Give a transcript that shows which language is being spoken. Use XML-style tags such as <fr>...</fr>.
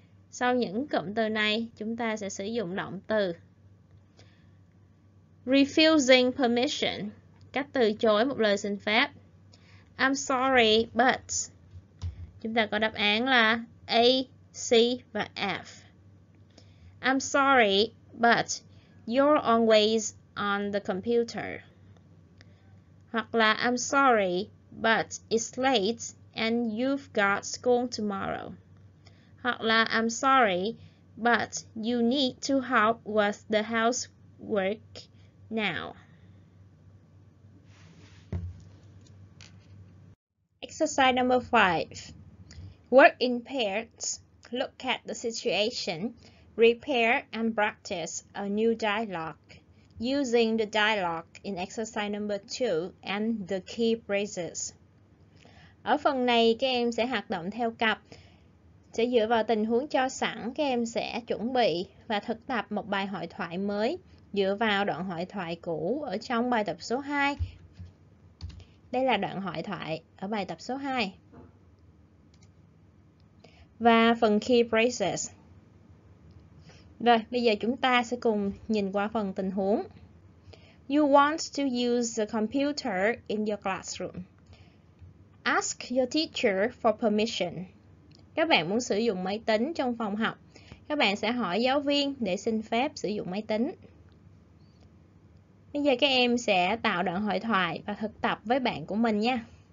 <vi>Sau những cụm từ này, chúng ta sẽ sử dụng động từ.</vi> <en>Refusing permission.</en> <vi>Cách từ chối một lời xin phép.</vi> <en>I'm sorry, but.</en> <vi>Chúng ta có đáp án là A, C và F.</vi> <en>I'm sorry, but you're always on the computer.</en> <vi>Hoặc là</vi> <en>I'm sorry, but it's late and you've got school tomorrow.</en> <vi>Hoặc là</vi> <en>I'm sorry, but you need to help with the housework now. Exercise number 5. Work in pairs. Look at the situation. Repair and practice a new dialogue. Using the dialogue in exercise number 2 and the key phrases.</en> <vi>Ở phần này, các em sẽ hoạt động theo cặp. Sẽ dựa vào tình huống cho sẵn, các em sẽ chuẩn bị và thực tập một bài hội thoại mới dựa vào đoạn hội thoại cũ ở trong bài tập số 2. Đây là đoạn hội thoại ở bài tập số 2. Và phần key phrases. Rồi, bây giờ chúng ta sẽ cùng nhìn qua phần tình huống.</vi> <en>You want to use the computer in your classroom. Ask your teacher for permission.</en> <vi>Các bạn muốn sử dụng máy tính trong phòng học. Các bạn sẽ hỏi giáo viên để xin phép sử dụng máy tính. Bây giờ các em sẽ tạo đoạn hội thoại và thực tập với bạn của mình nha.</vi>